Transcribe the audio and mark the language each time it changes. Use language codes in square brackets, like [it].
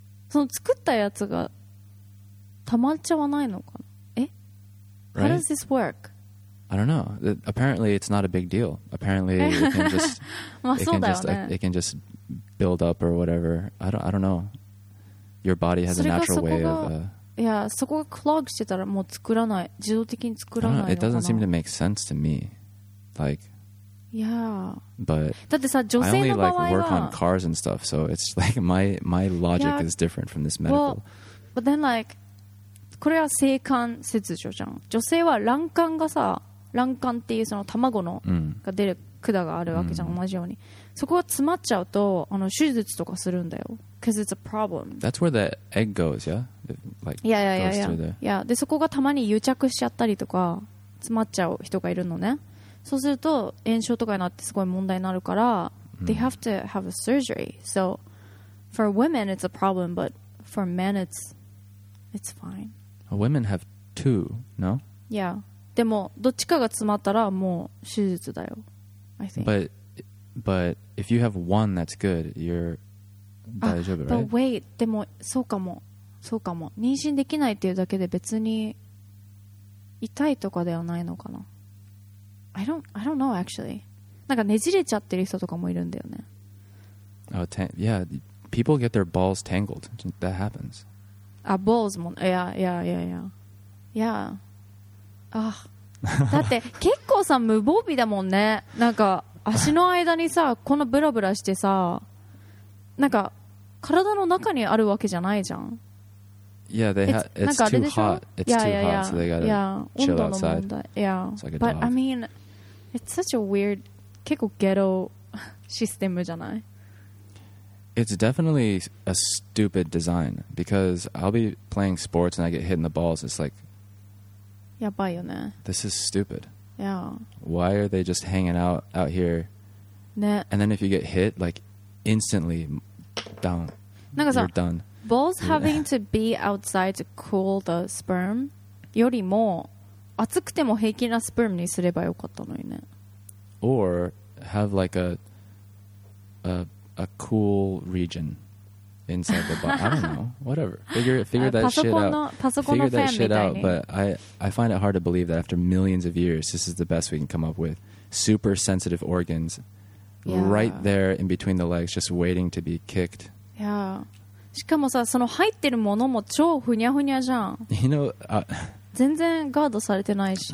[ja] その作ったやつが溜まっちゃわないのかな? え? [en] Right? How does this work? I don't know. Apparently, it's not a big deal. Apparently, it can just build up or whatever. I don't know. Your body has a natural way of... Yeah, [ja] そこがクロックしてたらもう作らない、自動的に作らないのかな。 [en] It doesn't seem to make sense to me. Like, yeah. But [ja] だってさ、女性の場合は、 [en] I only like work on cars and stuff, so it's like my logic is different from this medical. Well, but then like, [ja] これは性感切除じゃん。女性は卵管がさ、卵管っていうその卵のが出る管があるわけじゃん、同じように。そこが詰まっちゃうと、あの手術とかするんだよ。 [en] Because it's a problem. That's where the egg goes, yeah? Like, yeah. Goes through the... yeah. [ja] で、そこがたまに癒着しちゃったりとか、詰まっちゃう人がいるのね。そうすると、炎症とかになってすごい問題になるから、 [en] they have to have a surgery. So, for women, it's a problem, but for men, it's fine. Well, women have two, no? Yeah. [ja] でも、どっちかが詰まったらもう手術だよ。 [en] I think. But if you have one that's good, you're... [ja] 大丈夫、 [en] right? But wait, [ja] でもそうかもそうかも、妊娠できないっていうだけで別に痛いとかではないのかな。 [en] I don't know actually. [ja] なんかねじれちゃってる人とかもいるんだよね。 [en] Oh, yeah, people get their balls tangled. That happens. [ja] あ、balls も、yeah. だって結構さ無防備だもんね。なんか足の間にさ、このブラブラしてさ、なんか体の中にあるわけじゃないじゃん。 [en] Yeah, they have, it's too hot. It's too hot, so they gotta chill outside. Yeah, but I mean, it's such a weird, [ja] 結構 [en] ghetto system [ja] じゃない? [en] It's definitely a stupid design, because I'll be playing sports and I get hit in the balls. It's like, [ja] やばいよね。 [en] This is stupid. Yeah. Why are they just hanging out here? [ja] ね。 [en] And then if you get hit, like, instantly... Down. [ja] なんかさ、 [en] You're done. Balls having to be outside to cool the sperm [ja] よりも熱くても平気なスペルムにすればよかったのにね。 [en] Or have like a cool region inside the body. I don't know. Whatever. Figure that shit out. [ja] パソコンのファンみ [en] たいに。Figure that shit out. But I find it hard to believe that after millions of years, this is the best we can come up with. Super sensitive organs. Yeah. Right there in between the legs, just waiting to be kicked. Yeah. [ja] しかもさ、その入ってるものも超ふにゃふにゃじゃん。 [en] You know, [ja] 全然ガードされてないし。